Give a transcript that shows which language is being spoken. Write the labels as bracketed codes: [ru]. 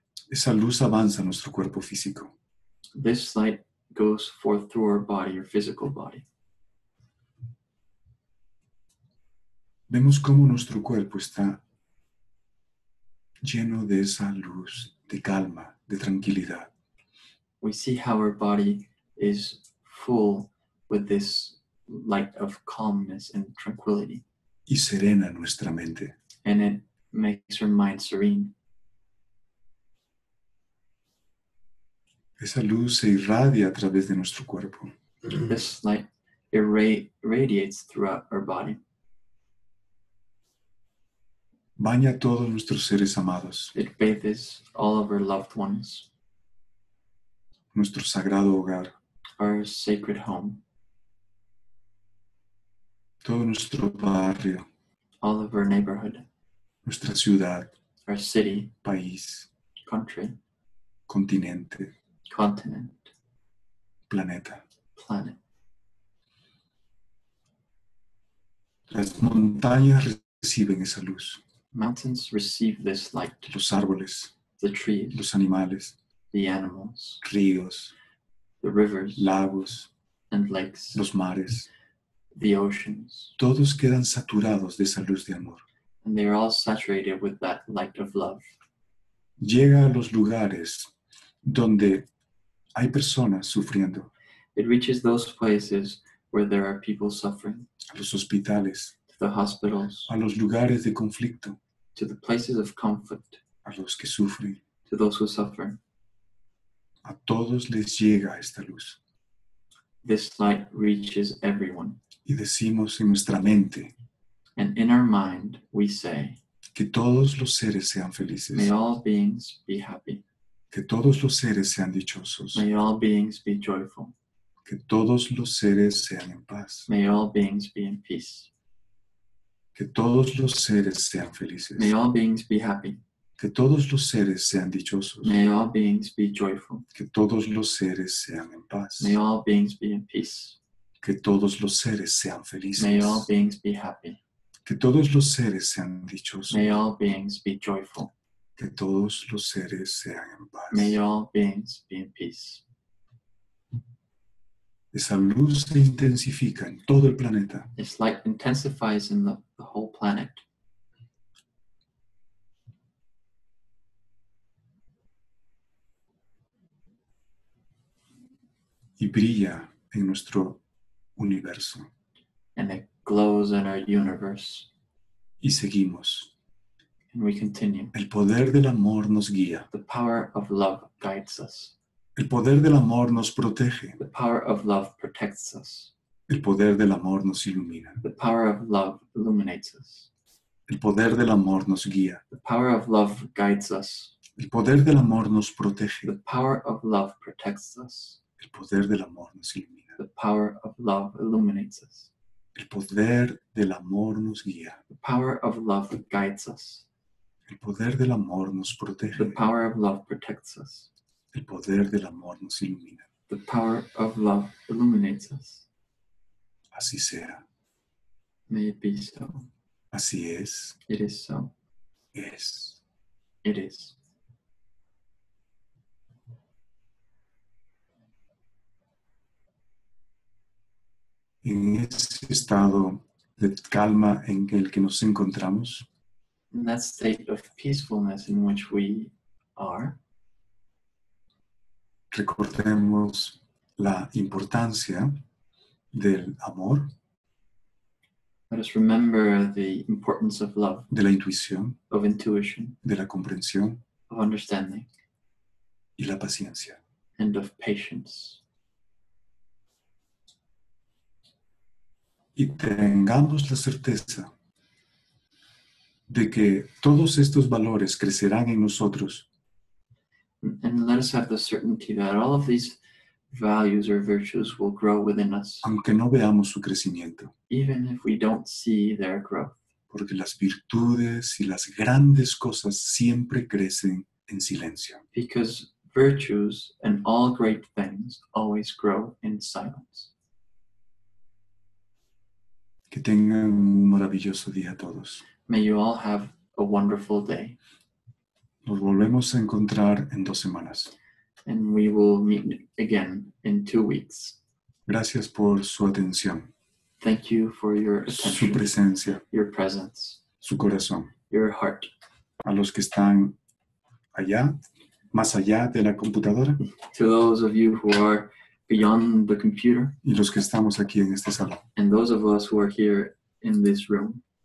[es] Esa luz avanza a nuestro cuerpo físico. [en] This light goes forth through our body, your physical body. [es] Vemos cómo nuestro cuerpo está lleno de esa luz, de calma, de tranquilidad. [en] We see how our body is full with this light of calmness and tranquility. [es] Y serena nuestra mente. [en] And it makes her mind serene. [es] Esa luz se irradia a través de nuestro cuerpo. [en] This light irradiates throughout our body. [es] Baña a todos nuestros seres amados. [en] It bathes all of our loved ones. [es] Nuestro sagrado hogar. [en] Our sacred home. [es] Todo nuestro barrio. [en] All of our neighborhood. [es] Nuestra ciudad. [en] Our city. [es] País. [en] Country. [es] Continente. [en] Continent. [es] Planeta. [en] Planet. [es] Las montañas reciben esa luz. [en] Mountains receive this light. [es] Los árboles. [en] The trees. [es] Los animales. [en] The animals. [es] Ríos. [en] The rivers. [es] Lagos. [en] And lakes. [es] Los mares. [en] The oceans. [es] Todos quedan saturados de esa luz de amor. [en] And they are all saturated with that light of love. [es] Llega a los lugares donde hay personas sufriendo. [en] It reaches those places where there are people suffering. [es] A los hospitales. [en] To the hospitals. [es] A los lugares de conflicto. [en] To the places of conflict. [es] A los que sufren. [en] To those who suffer. [es] A todos les llega esta luz. [en] This light reaches everyone. [es] Y decimos en nuestra mente. [en] And in our mind we say. [es] Que todos los seres sean felices. [en] May all beings be happy. [es] Que todos los seres sean dichosos. [en] May all beings be joyful. [es] Que todos los seres sean en paz. [en] May all beings be in peace. [es] Que todos los seres sean felices. [en] May all beings be happy. [es] Que todos los seres sean dichosos. [en] May all beings be joyful. [es] Que todos los seres sean en paz. [en] May all beings be in peace. [es] Que todos los seres sean felices. [en] May all beings be happy. [es] Que todos los seres sean dichosos. [en] May all beings be joyful. [es] Que todos los seres sean en paz. [en] May all beings be in peace. [es] Esa luz se intensifica en todo el planeta. [en] This light intensifies in the whole planet. [es] Y brilla en nuestro universo. [en] And it glows in our universe. [es] Y seguimos. [en] And we continue. [es] El poder del amor nos guía. [en] The power of love guides us. [es] El poder del amor nos protege. [en] The power of love protects us. [es] El poder del amor nos ilumina. [en] The power of love illuminates us. [es] El poder del amor nos guía. [en] The power of love guides us. [es] El poder del amor nos protege. [en] The power of love protects us. [es] El poder del amor nos ilumina. [en] The power of love illuminates us. [es] El poder del amor nos guía. [en] The power of love guides us. [es] El poder del amor nos protege. [en] The power of love protects us. [es] El poder del amor nos ilumina. [en] The power of love illuminates us. [es] Así sea. [en] May it be so. [es] Así es. [en] It is so. [es] Es. [en] It is. [es] En ese estado de calma en el que nos encontramos. [en] In that state of peacefulness in which we are. [es] Recordemos la importancia del amor. [en] Let us remember the importance of love. [es] De la intuición. [en] Of intuition. [es] De la comprensión. [en] Of understanding. [es] Y la paciencia. [en] And of patience. [es] Y tengamos la certeza de que todos estos valores crecerán en nosotros. [en] And let us have the certainty that all of these values or virtues will grow within us. [es] Aunque no veamos su crecimiento. [en] Even if we don't see their growth. [es] Porque las virtudes y las grandes cosas siempre crecen en silencio. [en] Because virtues and all great things always grow in silence. [es] Que tengan un maravilloso día a todos. [en] May you all have a wonderful day. [es] Nos volvemos a encontrar en 2 semanas. [en] And we will meet again in 2 weeks. [es] Gracias por su atención. [en] Thank you for your attention. [es] Su presencia. [en] Your presence. [es] Su corazón. [en] Your heart. [es] A los que están allá, más allá de la computadora. [en] To those of you who are beyond the computer. [es] Y los que estamos aquí en esta sala. [en] And those of us who are here in this room.